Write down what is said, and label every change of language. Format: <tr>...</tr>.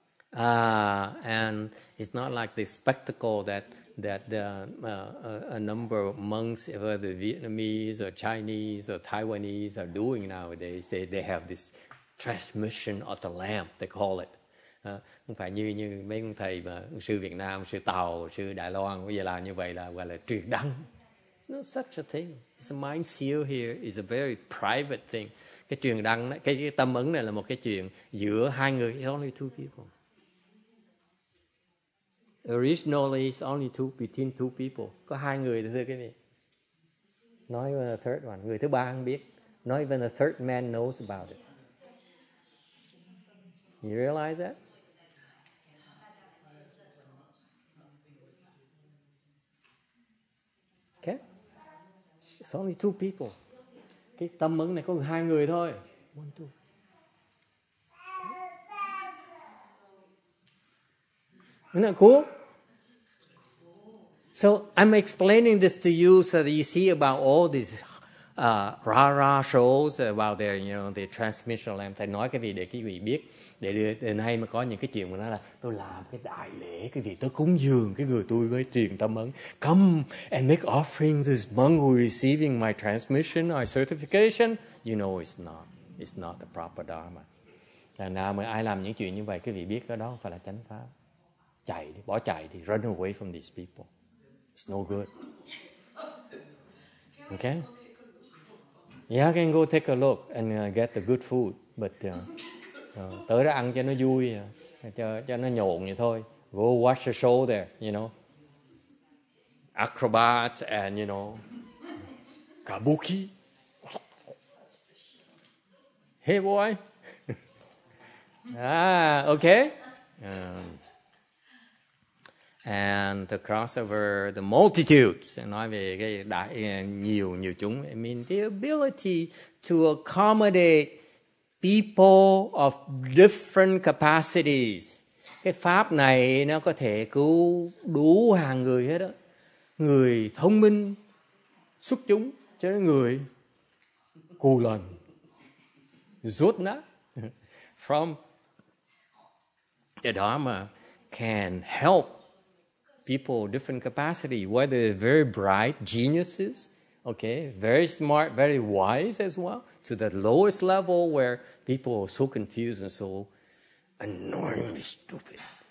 <en>And it's not like the spectacle that a number of monks, whether the Vietnamese or Chinese or Taiwanese, are doing nowadays. They have this transmission of the lamp, they call it.</en> <vi>Không phải như như mấy ông thầy mà sư Việt Nam, sư Tàu, sư Đài Loan bây giờ làm như vậy là gọi là truyền đăng.</vi> <en>No such a thing. It's a mind seal here. It's a very private thing.</en> <vi>Cái truyền đăng, cái tâm ấn này là một cái chuyện giữa hai người.</vi> <en>It's only two people. Originally, it's only two between two people.</en> <vi>Có hai người thôi, cái gì?</vi> <en>Not even a third one.</en> <vi>Người thứ ba không biết.</vi> <en>Not even a third man knows about it. You realize that? Okay. It's only two people.</en> <vi>Cái tâm ấn này có hai người thôi.</vi> <en>One, two. Isn't that cool? So I'm explaining this to you so that you see about all these rah-rah shows about their, you know, the transmission lamp.</en> <vi>Thầy nói cái gì để quý vị biết. Để đến nay mà có những cái chuyện mà nói là tôi làm cái đại lễ, cái gì tôi cúng dường cái người tôi mới truyền tâm ấn.</vi> <en>Come and make offering this monk who is receiving my transmission or certification. You know it's not. It's not the proper dharma.</en> <vi>Thằng nào mà ai làm những chuyện như vậy, quý vị biết cái đó không phải là chánh pháp. Chạy đi, bỏ chạy đi.</vi> <en>Run away from these people. It's no good. Okay? Yeah, I can go take a look and get the good food.</en> <vi>But tới đó ăn cho nó vui, cho nó nhộn vậy thôi.</vi> <en>Go watch the show there, you know. Acrobats and, you know, kabuki. Hey, boy. okay? And the crossover, the multitudes,</en> <vi>nói về cái đại nhiều chúng,</vi> <en>I mean the ability to accommodate people of different capacities.</en> <vi>Cái pháp này nó có thể cứu đủ hàng người hết đó. Người thông minh, xuất chúng, cho đến người cù lần, rốt nát.</vi> <en>From the Dharma can help people of different capacity, whether very bright geniuses, okay, very smart, very wise as well, to the lowest level where people are so confused and so annoyingly stupid.</en>